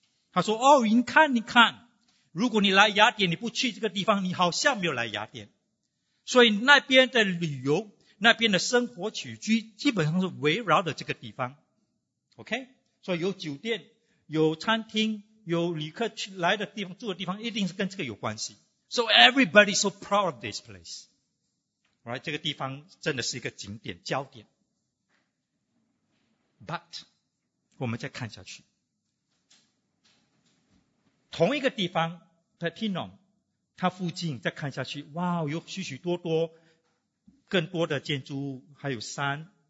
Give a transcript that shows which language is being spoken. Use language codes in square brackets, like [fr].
[zh] 他说：“哦，你看，你看，如果你来雅典，你不去这个地方，你好像没有来雅典。” 所以那边的旅游，那边的生活起居，基本上是围绕着这个地方。 [en] OK? [zh] 所以有酒店，有餐厅，有旅客去来的地方，住的地方，一定是跟这个有关系。 [en] So everybody is so proud of this place. Right? [zh] 这个地方真的是一个景点，焦点。 But, 我们再看下去。同一个地方 ,Platinum,它附近再看下去，哇，有许许多多更多的建筑物，还有山。